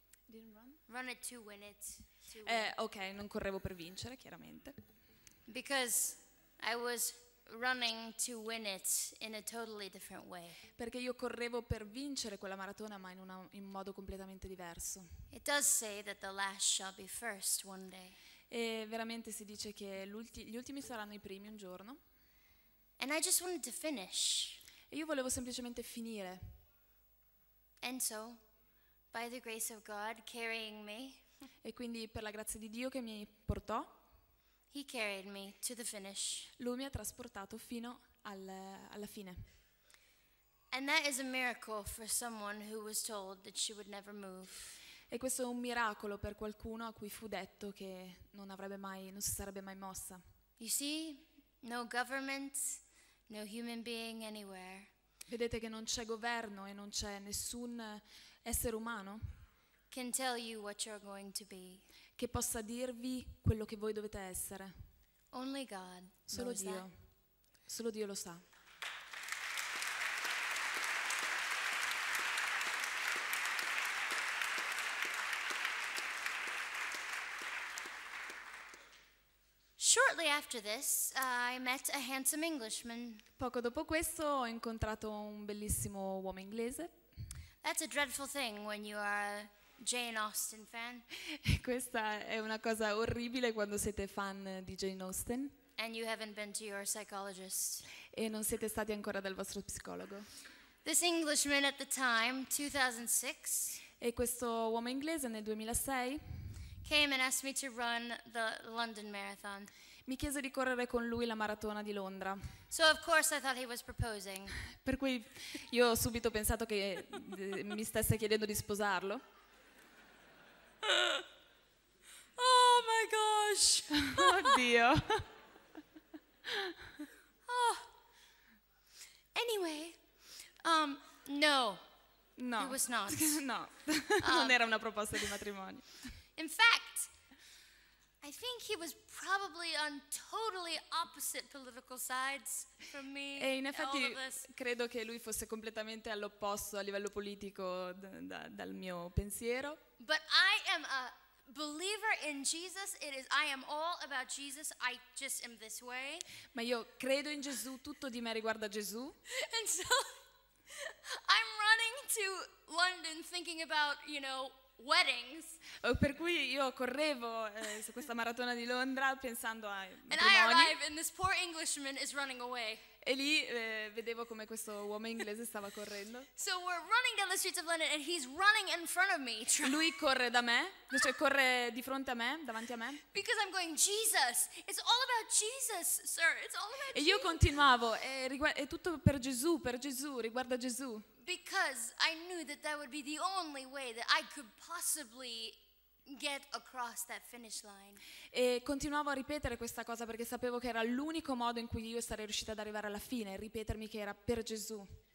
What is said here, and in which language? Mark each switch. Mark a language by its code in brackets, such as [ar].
[en] Didn't run? Run it to win it. [it] Ok, non correvo per vincere, chiaramente. [en] Because I was running to win it in a totally different way. [it] Perché io correvo per vincere quella maratona, ma in modo completamente diverso. [en] It does say that the last shall be first one day. [it] E veramente si dice che gli ultimi saranno i primi un giorno. [en] And I just wanted to finish. [it] E io volevo semplicemente finire. [en] And so, by the grace of God carrying me. [it] E quindi per la grazia di Dio che mi portò. [en] He carried me to the finish. [it] Lui mi ha trasportato fino alla fine. [en] And that is a miracle for someone who was told that she would never move. [it] E questo è un miracolo per qualcuno a cui fu detto che non si sarebbe mai mossa. [en] You see, no government, no human being anywhere. [it] Vedete che non c'è governo e non c'è nessun essere umano. [en] Can tell you what you're going to be. [it] Che possa dirvi quello che voi dovete essere. [en] Only God. [it] Solo Dio. Solo Dio lo sa. [en] Shortly after this, I met a handsome Englishman. [it] Poco dopo questo ho incontrato un bellissimo uomo inglese. [en] That's a dreadful thing when you are Jane Austen fan. [it] Questa è una cosa orribile quando siete fan di Jane Austen. [en] And you haven't been to your psychologist. [it] E non siete stati ancora dal vostro psicologo. [en] This Englishman at the time, 2006. [it] E questo uomo inglese nel 2006. [en] Came and asked me to run the London Marathon. [it] Mi chiese di correre con lui la maratona di Londra. [en] So of course I thought he was proposing. [it] Per cui io ho subito pensato che mi stesse chiedendo di sposarlo. [en] Oh my gosh. [it] Oddio. [en] Oh. Anyway, no. [it] No. [en] It was not. [it] No. Non era una proposta di matrimonio. [en] In fact, I think he was probably on totally opposite political sides from me. [it] E in effetti credo che lui fosse completamente all'opposto a livello politico dal mio pensiero. [en] But I am a believer in Jesus. It is I am all about Jesus. I just am this way. [it] Ma io credo in Gesù, tutto di me riguarda Gesù. [en] And so I'm running to London thinking about, you know, weddings. [it] Per cui io correvo su questa maratona di Londra pensando ai matrimoni. [en] And I arrive and this poor Englishman is running away. [it] E lì vedevo come questo uomo inglese stava correndo. [en] So we're running down the streets of London and he's running in front of me. [it] Lui corre da me, cioè corre di fronte a me, davanti a me. [en] Because I'm going, Jesus, it's all about Jesus, sir, it's all about Jesus. [it] E io continuavo, è tutto per Gesù, riguarda Gesù. [en] Because I knew that that would be the only way that I could possibly get across that finish line. [it] E continuavo a ripetere questa cosa perché sapevo che era l'unico modo in cui io sarei riuscita ad arrivare alla fine, ripetermi che era per Gesù.